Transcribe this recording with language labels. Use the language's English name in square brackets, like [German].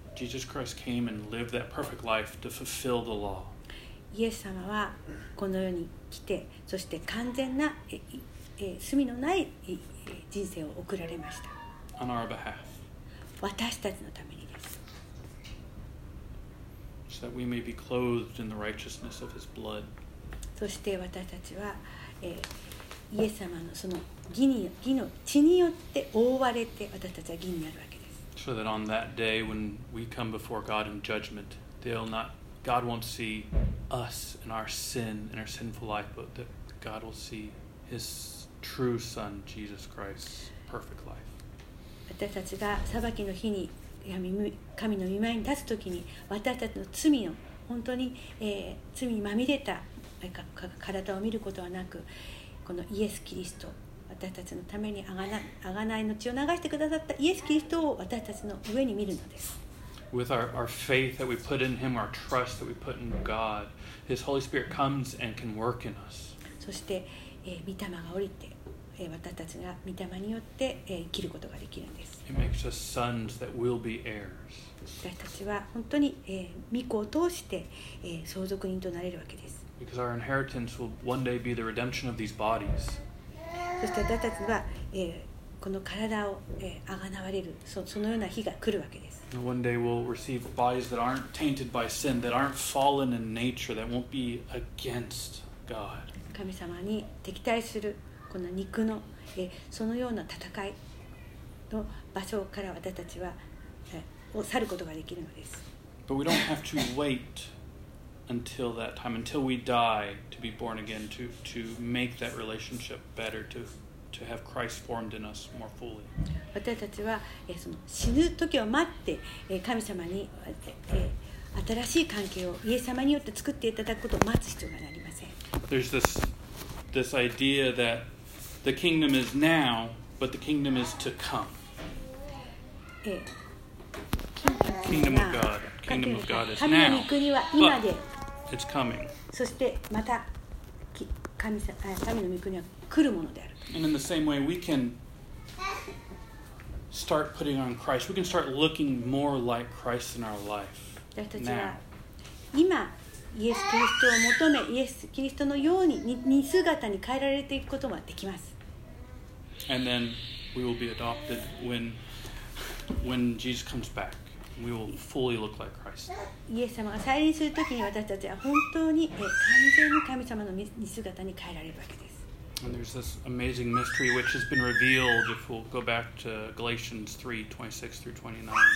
[English] Jesus Christ came and lived that perfect life to fulfill the law. [Japanese] イエス様はこの世に来て、そして完全な罪のない人生を送られました。 [English] On our behalf. [Japanese] 私たちのためにです。 [English] So that we may be clothed in the righteousness of his blood. [Japanese] そして私たちは、イエス様のその義の血によって覆われて、私たちは義になるわけです。 [English] So that on that day when we come before God in judgment, they'll not, God won't see. Us and our sin and our sinful life, but that God will see His true Son, Jesus Christ's perfect life. [Japanese] 私たちが裁きの日に神の御前に立つときに、私たちの罪の本当に、罪にまみれた体を見ることはなく、このイエス・キリスト、私たちのためにあがないの血を流してくださったイエス・キリストを私たちの上に見るのです。 [English] With our faith that we put in Him, our trust that we put in God, His Holy Spirit comes and can work in us. [Japanese] そして、御霊が降りて、私たちが御霊によって、生きることができるんです。 [English] It makes us sons that will be heirs. [Japanese] 私たちは本当に、御子を通して、相続人となれるわけです。 [English] Because our inheritance will one day be the redemption of these bodies. [Japanese] そして私たちは、この体を、贖われる、そのような日が来るわけです。 [English] One day we'll receive bodies that aren't tainted by sin, that aren't fallen in nature, that won't be against God. [Japanese] 神様に敵対するこの肉の、そのような戦いの場所から私たちは、を去ることができるのです。 [English] But we don't have to wait until that time, until we die to be born again, to make that relationship better, to have Christ formed in us more fully. [Japanese] 私たちは、その死ぬ時を待って、神様に、新しい関係をイエス様によって作っていただくことを待つ必要がありません。 [English] There's this idea that the kingdom is now, but the kingdom is to come. Kingdom of God. Kingdom of God is now. [Japanese] 神の御国は今で。 [English] It's coming. [Japanese] そしてまた神の御国は来るものである。 [English] And in the same way, we can start putting on Christ. We can start looking more like Christ in our life now. [Japanese] 今、イエス・キリストを求め、イエス・キリストのように似姿に変えられていくこともできます。 [English] And then we will be adopted when Jesus comes back. We will fully look like Christ. [Japanese] イエス様が再臨するときに私たちは本当に完全に神様の似姿に変えられるわけです。 [English] And there's this amazing mystery which has been revealed if we'll go back to Galatians 3:26-29.